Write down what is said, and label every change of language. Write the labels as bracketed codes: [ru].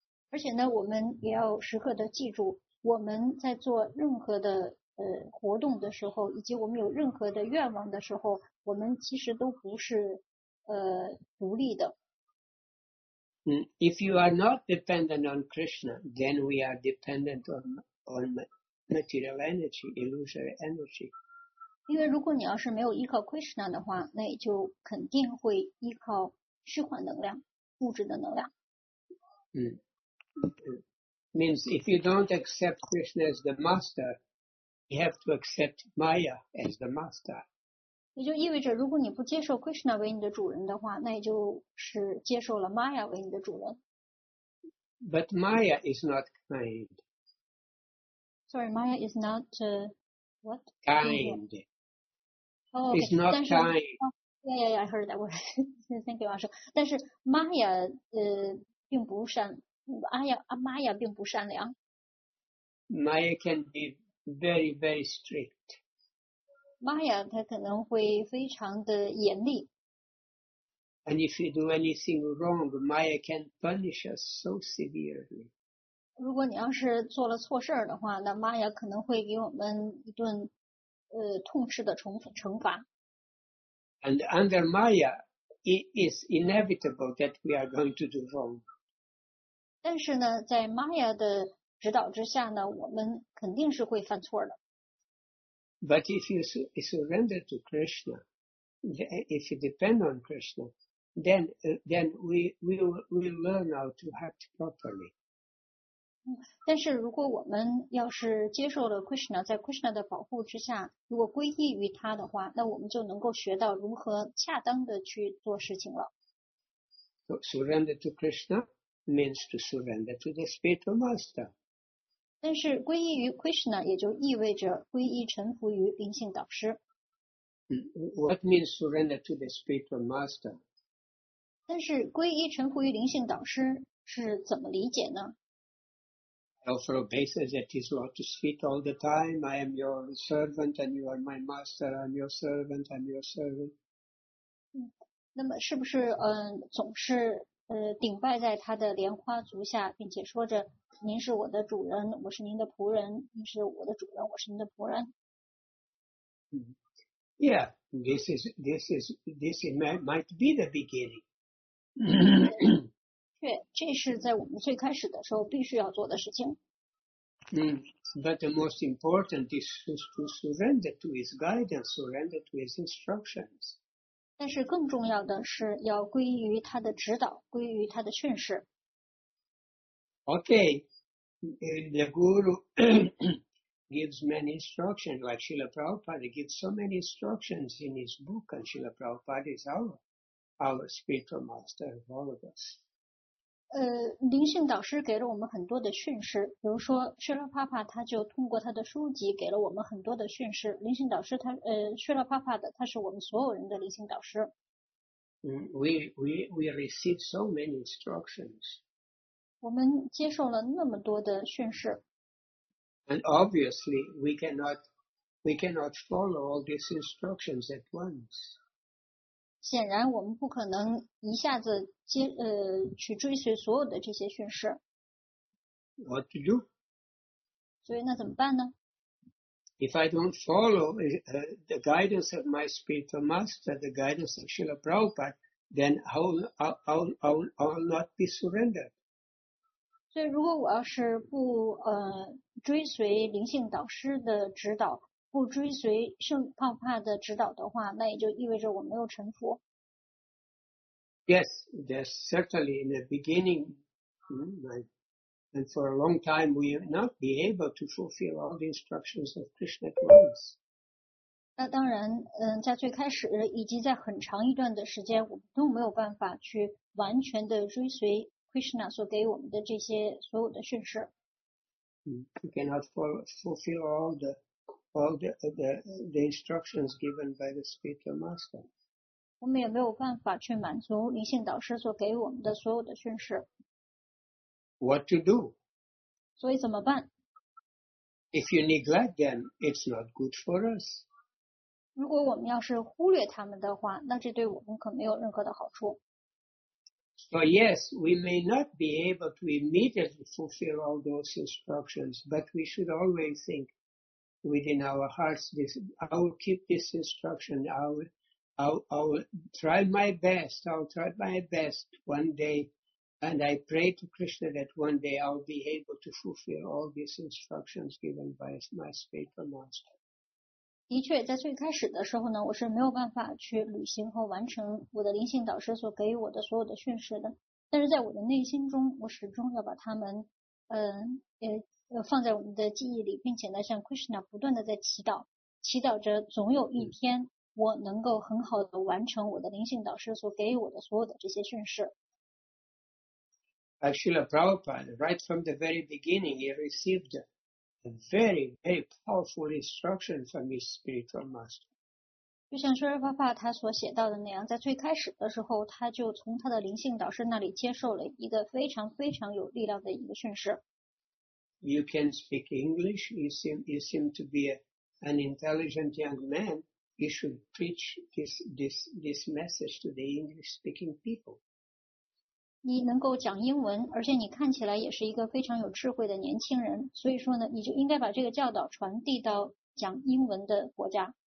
[zh] 而且呢，我们也要时刻的记住，我们在做任何的活动的时候，以及我们有任何的愿望的时候，我们其实都不是独立的。 [en] If you are not dependent on Krishna, then we are dependent on material energy, illusory energy. [zh] 因为如果你要是没有依靠 Krishna 的话，那也就肯定会依靠虚幻能量、物质的能量。 [en] Means if you don't accept Krishna as the master, you have to accept Maya as the master. [zh] 也就意味着，如果你不接受 Krishna 为你的主人的话，那也就是接受了 Maya 为你的主人。 [en] But Maya is not kind. Sorry, Maya is not what? Kind. Oh, okay. It's not kind. Yeah, I heard that word. Thank you, Asha. [zh] 但是 Maya 并不善，Maya 并不善良。 [en] Maya can be very, very strict. [zh] Maya 她可能会非常的严厉。 [en] And if you do anything wrong, Maya can punish us so severely. [zh] 如果你要是做了错事的话，那 Maya 可能会给我们一顿痛斥的惩罚。 [en] And under Maya, it is inevitable that we are going to do wrong. [zh] 但是呢，在 Maya 的指导之下呢，我们肯定是会犯错的。 [en] But if you surrender to Krishna, if you depend on Krishna, then we learn how to act properly. [zh] 但是如果我们要是接受了 Krishna, 在 Krishna 的保护之下，如果皈依于他的话，那我们就能够学到如何恰当的去做事情了。 [en] So, surrender to Krishna means to surrender to the spiritual master. [zh] 但是皈依于 Krishna 也就意味着皈依臣服于灵性导师。 [en] What means surrender to the spiritual master? [zh] 但是皈依臣服于灵性导师是怎么理解呢？ [en] Offer obeisance at his lotus feet all the time. I am your servant and you are my master. I'm your servant, I'm your servant. [zh] 那么是不是总是顶拜在他的莲花足下，并且说着您是我的主人，我是您的仆人，您是我的主人，我是您的仆人。 [en] Yeah, this might be the beginning. [zh] 对，这是在我们最开始的时候必须要做的事情。 [en] But the most important is to surrender to his guidance, surrender to his instructions. [zh] 但是更重要的是要归于他的指导，归于他的训示。 [en] Okay, the guru gives many instructions, like Srila Prabhupada gives so many instructions in his book, and Srila Prabhupada is our spiritual master of all of us. [zh] 灵性导师给了我们很多的训示，比如说薛拉帕帕他就通过他的书籍给了我们很多的训示。灵性导师他薛拉帕帕的他是我们所有人的灵性导师。 [en] We receive so many instructions. [zh] 我们接受了那么多的训示。 [en] And obviously we cannot follow all these instructions at once. [zh] 显然我们不可能一下子去追随所有的这些训示。 [en] What to do? [zh] 所以那怎么办呢？ [en] If I don't follow the guidance of my spiritual master, the guidance of Srila Prabhupada, then I'll not be surrendered. [zh] 所以如果我要是不追随灵性导师的指导，不追随圣泡帕的指导的话，那也就意味着我没有臣服。 [en] Yes, there's certainly in the beginning, and for a long time, we will not be able to fulfill all the instructions of Krishna at once. [zh] 那当然，在最开始以及在很长一段的时间，我们都没有办法去完全的追随 Krishna 所给我们的这些所有的训示。 [en] We cannot fulfill all the instructions given by the spiritual master. [zh] 我们也没有办法去满足灵性导师所给我们的所有的训示。 [en] What to do? [zh] 所以怎么办？ [en] If you neglect them, it's not good for us. [zh] 如果我们要是忽略他们的话，那这对我们可没有任何的好处。 [en] So yes, we may not be able to immediately fulfill all those instructions, but we should always think,within our hearts, this, I will keep this instruction. I will try my best. I will try my best one day. And I pray to Krishna that one day I will be able to fulfill all these instructions given by my spiritual master. [zh] 的确，在最开始的时候呢，我是没有办法去履行和完成我的灵性导师所给予我的所有的训示的。但是在我的内心中，我始终要把他们，放在我们的记忆里，并且呢，向 Krishna 不断的在祈祷，祈祷着总有一天我能够很好的完成我的灵性导师所给予我的所有的这些训示。 [en] Srila Prabhupada, right from the very beginning, he received a very, very powerful instruction from his spiritual master. [zh] 就像舒尔巴帕他所写到的那样，在最开始的时候，他就从他的灵性导师那里接受了一个非常非常有力量的一个训示。 [en] You can speak English. You seem to be an intelligent young man. You should preach this message to the English-speaking people. [zh] 你能够讲英文，而且你看起来也是一个非常有智慧的年轻人，所以说呢，你就应该把这个教导传递到讲英文的国家。